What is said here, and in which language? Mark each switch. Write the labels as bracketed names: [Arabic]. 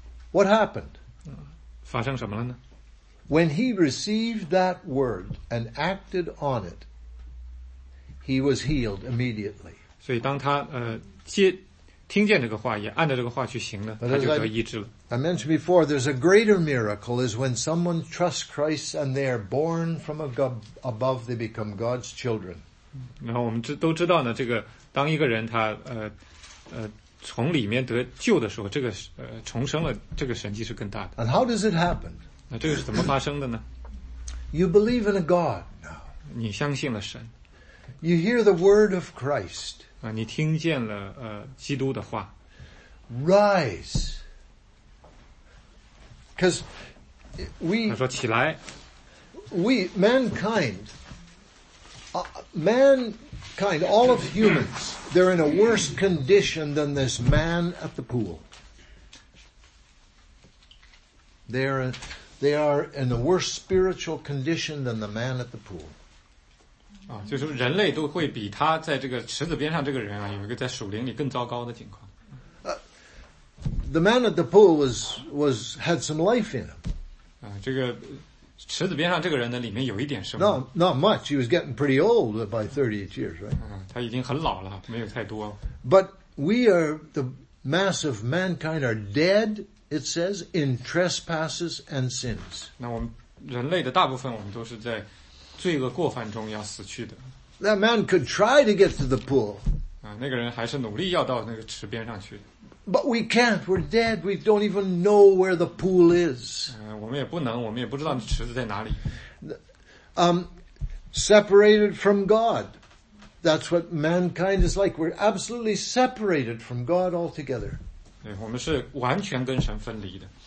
[English] What happened? [Chinese] 发生什么了呢？ [English] When he received that word and acted on it, he was healed immediately. [Chinese] 所以当他听见这个话也按照这个话去行了他就得医治了。 [English] I mentioned before, there's a greater miracle is when someone trusts Christ and they are born from above, they become God's children. [Chinese] 然后我们都知道呢这个当一个人他从里面得救的时候这个重生了这个神迹是更大的。 [English] And how does it happen? [Chinese] 那这个是怎么发生的呢 [English] ?You believe in a God now. [Chinese] 你相信了神。 [English] You hear the word of Christ. [Chinese] 你听见了基督的话。 [English] Rise. Because we, [Chinese] 他说起来。 [English] Mankind, all of humans, they're in a worse condition than this man at the pool. They're they are in a worse spiritual condition than the man at the pool. [Chinese] 啊，就是人类都会比他在这个池子边上这个人啊，有一个在属灵里更糟糕的情况。 [English] The man at the pool was had some life in him. [Chinese] 啊，这个池子边上这个人呢，里面有一点生命。 [English] Not much. He was getting pretty old by 38 years, right? [Chinese] 他已经很老了，没有太多。 [English] But we are the mass of mankind are dead, it says, in trespasses and sins. [Chinese] 那我们人类的大部分，我们都是在罪恶过犯中要死去的。 [English] That man could try to get to the pool. [Chinese] 啊，那个人还是努力要到那个池边上去。 [English] But we can't. We're dead. We don't even know where the pool is. [Chinese] 我们也不能，我们也不知道池子在哪里。 [English] Separated from God. That's what mankind is like. We're absolutely separated from God altogether. [Chinese] 对，我们是完全跟神分离的。